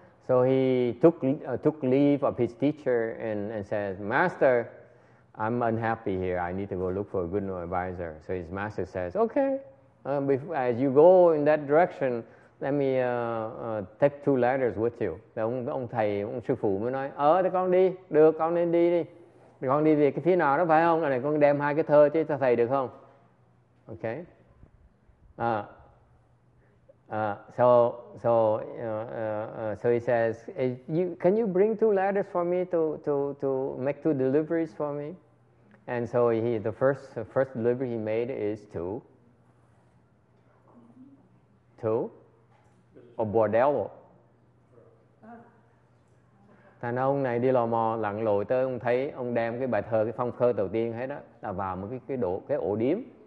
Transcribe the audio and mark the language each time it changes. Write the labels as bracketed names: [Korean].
[English] So he took leave of his teacher and said, Master, I'm unhappy here. I need to go look for a good new advisor. So his master says, okay, as you go in that direction, let me take 2 letters with you. [Vietnamese] Ông thầy, ông sư phụ mới nói, thì con đi, được, con nên đi đi. Con đi về cái phía nào đó phải không? Này con đem 2 cái thơ chứ cho thầy được không? [English] Okay. So he says, can you bring 2 letters for me to make 2 deliveries for me? And so the first delivery he made is to a bordello. [Vietnamese] Thành ông này đi lò mò lặn lội tới ông thấy ông đem cái bài thơ cái phong khơ đầu tiên hết đó là vào một cái ổ điếm.